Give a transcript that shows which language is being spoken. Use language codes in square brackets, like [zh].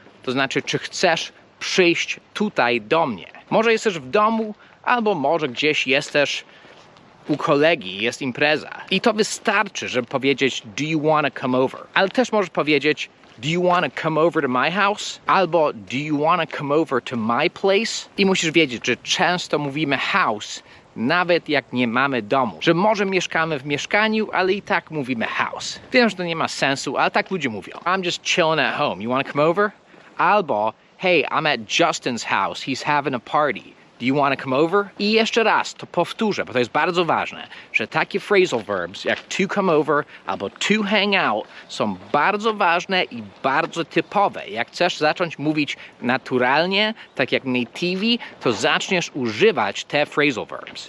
[pl] To znaczy, czy chcesz przyjść tutaj do mnie? Może jesteś w domu, albo może gdzieś jesteś u kolegi, jest impreza. I to wystarczy, żeby powiedzieć, [en] do you wanna come over? [pl] Ale też możesz powiedzieć, [en] do you wanna come over to my house? [pl] Albo, [en] do you wanna come over to my place? [pl] I musisz wiedzieć, że często mówimy house, nawet jak nie mamy domu. Że może mieszkamy w mieszkaniu, ale i tak mówimy house. Wiem, że to nie ma sensu, ale tak ludzie mówią. [en] I'm just chilling at home. You wanna come over? [pl] Albo, [en] hey, I'm at Justin's house. He's having a party. Do you wanna come over? [pl] I jeszcze raz to powtórzę, bo to jest bardzo ważne, że takie phrasal verbs jak to come over albo to hang out są bardzo ważne i bardzo typowe. Jak chcesz zacząć mówić naturalnie, tak jak native, to zaczniesz używać te phrasal verbs.